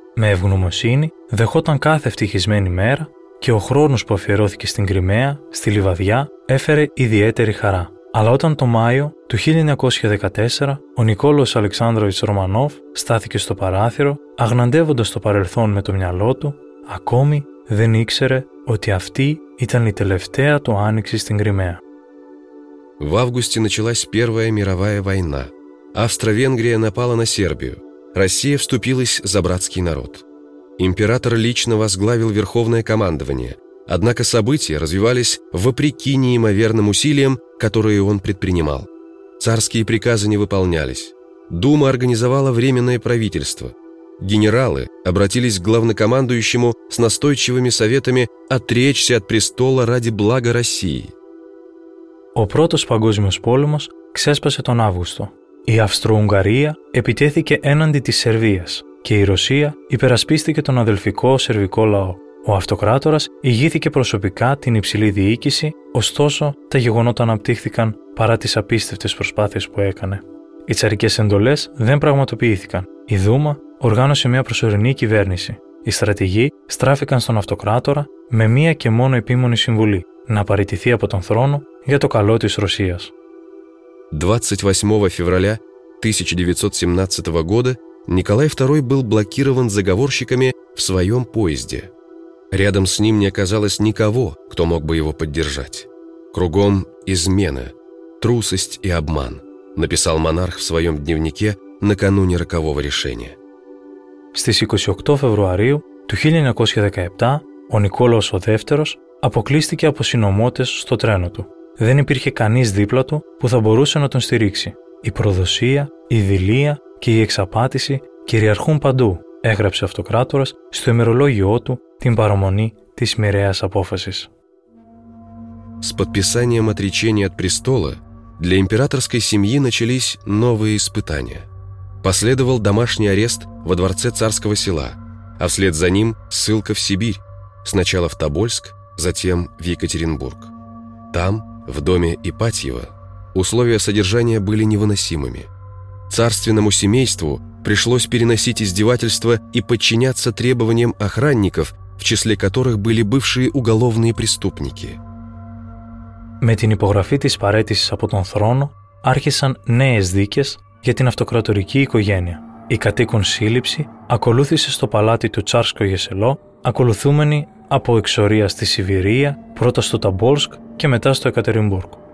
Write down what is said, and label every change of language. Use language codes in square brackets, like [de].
[el] Με ευγνωμοσύνη δεχόταν κάθε ευτυχισμένη μέρα και ο χρόνος που αφιερώθηκε στην Κρυμαία, στη Λιβαδιά, έφερε ιδιαίτερη χαρά. Αλλά όταν το Μάιο του 1914 ο Νικόλος Αλεξάνδροβιτς Ρωμανόφ στάθηκε στο παράθυρο, αγναντεύοντας το παρελθόν με το μυαλό του, ακόμη δεν ήξερε ότι αυτή ήταν η τελευταία του άνοιξη στην Κρυμαία. [ru] В августе началась Первая мировая война. Австро-Венгрия напала на Сербию. Россия вступилась за братский народ. Император лично возглавил Верховное командование, однако события развивались вопреки неимоверным усилиям, которые он предпринимал. Царские приказы не выполнялись. Дума организовала временное правительство. генералы обратились к главнокомандующему с настойчивыми советами отречься от престола ради блага России. [el] Ο πρώτος παγκόσμιος πόλεμος ξέσπασε τον Αύγουστο. Η Αυστρο-Ουγγαρία επιτέθηκε έναντι της Σερβίας και η Ρωσία υπερασπίστηκε τον αδελφικό σερβικό λαό. Ο αυτοκράτορας ηγήθηκε προσωπικά την υψηλή διοίκηση, ωστόσο τα γεγονότα αναπτύχθηκαν παρά τις απίστευτες προσπάθειες που έκανε. Οι τσαρικές εντολές δεν πραγματοποιήθηκαν. Η Δούμα οργάνωσε μια προσωρινή κυβέρνηση. Οι στρατηγοί στράφηκαν στον αυτοκράτορα με μία και μόνο επίμονη συμβουλή: να παραιτηθεί από τον θρόνο για το καλό της Ρωσίας. [ru] 28 февраля 1917 года Николай II был блокирован заговорщиками в своем поезде. Рядом с ним не оказалось никого, кто мог бы его поддержать. Кругом измены, трусость и обман, написал монарх в своем дневнике накануне рокового решения. [el] Στις 28 Φεβρουαρίου του 1917, ο Νικόλαος ο Δεύτερος αποκλείστηκε από συνωμότες στο τρένο του. Δεν υπήρχε κανείς δίπλα του που θα μπορούσε να τον στηρίξει. Η προδοσία, η δειλία και η εξαπάτηση κυριαρχούν παντού, έγραψε ο αυτοκράτορας στο ημερολόγιο του την παραμονή της μοιραίας απόφασης. [ru] С подписанием отречения от престола для императорской семьи начались новые испытания. Последовал домашний арест во дворце царского села, а вслед за ним ссылка в Сибирь, сначала в Тобольск, затем в Екатеринбург. Там, в доме Ипатьева, условия содержания были невыносимыми. Царственному семейству пришлось переносить издевательства и подчиняться требованиям охранников, в числе которых были бывшие уголовные преступники. [el] Με την υπογραφή της παραίτησης από τον θρόνο άρχισαν νέες δίκες για την αυτοκρατορική οικογένεια. Η κατοίκον σύλληψη ακολούθησε στο παλάτι του Τσάρσκο Γεσελό, ακολουθούμενη από εξορία στη Σιβηρία, πρώτα στο Ταμπόλσκ και μετά στο Εκατερινμπούργκ.